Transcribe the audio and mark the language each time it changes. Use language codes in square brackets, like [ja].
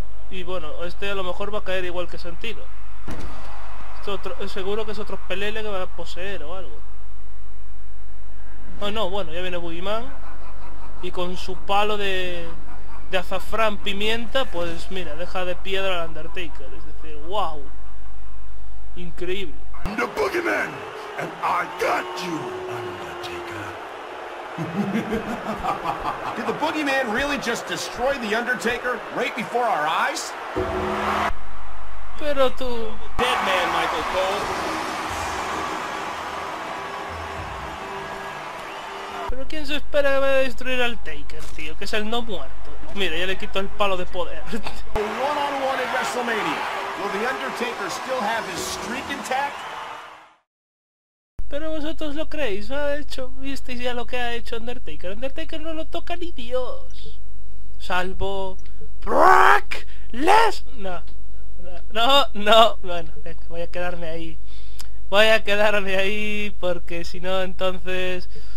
[es] Y bueno, este a lo mejor va a caer igual que sentido. Esto otro, seguro que es otro pelele que va a poseer o algo. Oh no, bueno, ya viene Boogeyman. Y con su palo de azafrán pimienta, pues mira, deja de piedra al Undertaker. Es decir, wow. Increíble. [en] I'm the Boogeyman, and I got you, Undertaker. Did the Boogeyman really just destroy the Undertaker right before our eyes? [es] Pero tú... [en] Dead man, Michael Cole. [es] Pero ¿quién se espera que vaya a destruir al Taker, tío? Que es el no muerto. Mira, ya le quito el palo de poder. [en] One-on-one in WrestleMania. Will the Undertaker still have his streak intact? [es] Pero vosotros lo creéis, ¿ha hecho? ¿Visteis ya lo que ha hecho Undertaker? Undertaker no lo toca ni Dios. Salvo... Brock Lesnar. No, no, bueno, venga, voy a quedarme ahí. Voy a quedarme ahí porque si no, entonces...